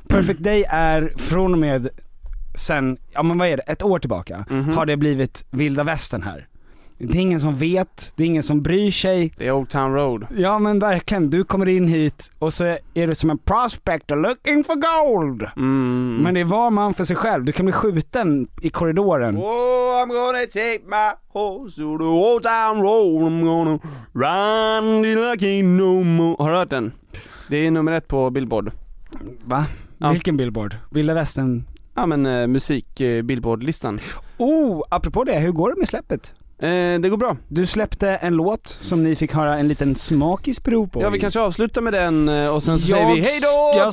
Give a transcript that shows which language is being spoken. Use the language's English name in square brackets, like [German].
[Swedish] Perfect Day är från och med sen, ja men vad är det, ett år tillbaka har det blivit Vilda Västern här. Det är ingen som vet, det är ingen som bryr sig. Det är Old Town Road. Ja men verkligen, du kommer in hit och så är du som en [English] prospector looking for gold. [Swedish] Men det är var man för sig själv, du kan bli skjuten i korridoren. [English] Oh, I'm gonna take my horse to the Old Town Road. I'm gonna run till I can't no more. [Swedish] Har du hört den? Det är nummer 1 på Billboard. Va? Ja. Vilken Billboard? Vilda Västern? ja, men musik Billboard-listan. Oh, apropå det, hur går det med släppet? Det går bra. Du släppte en låt som ni fick höra en liten smakis prov på. Ja, vi kanske avslutar med den och sen så jag säger vi hej då.